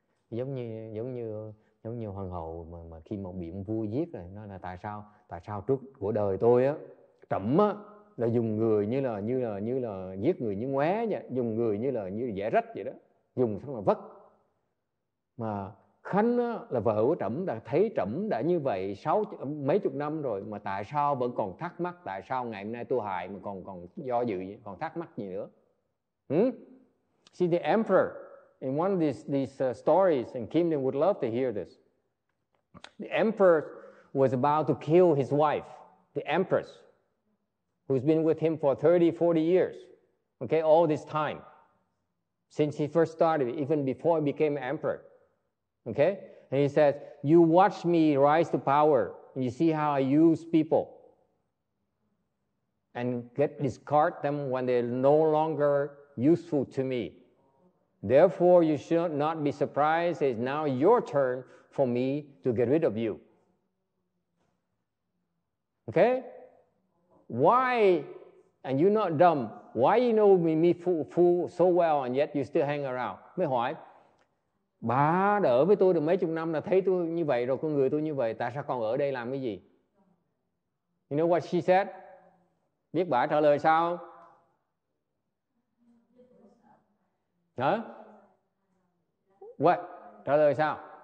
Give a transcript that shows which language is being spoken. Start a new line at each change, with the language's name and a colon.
Vietnamese: Giống như hoàng hậu mà khi mà bị ông vua giết rồi, nó là tại sao trước của đời tôi á, trẫm á là dùng người như là giết người như ngoé vậy, dùng người như là dễ rách vậy đó, dùng xong là vất. Mà Khánh á, là vợ của Trẫm, đã thấy Trẫm đã như vậy sáu mấy chục năm rồi mà tại sao vẫn còn thắc mắc, tại sao ngày hôm nay tôi hại mà còn do dự, còn thắc mắc gì nữa?
English: See the emperor in one of these stories, and Kim Lin would love to hear this. The emperor was about to kill his wife, the empress, who's been with him for 30-40 years. Okay, all this time since he first started, even before he became emperor. Okay? And he says, you watch me rise to power and you see how I use people and get discard them when they're no longer useful to me. Therefore, you should not be surprised. It's now your turn for me to get rid of you. Okay? Why? And you're not dumb. Why you know me fool so well and yet you still hang around?
Vietnamese: Mới hỏi. Bà đỡ với tôi được mấy chục năm là thấy tôi như vậy rồi, con người tôi như vậy, tại sao còn ở đây làm cái gì?
English: You know what she said?
Vietnamese: Biết bà trả lời sao? Hả?
English: What?
Vietnamese: Trả lời sao?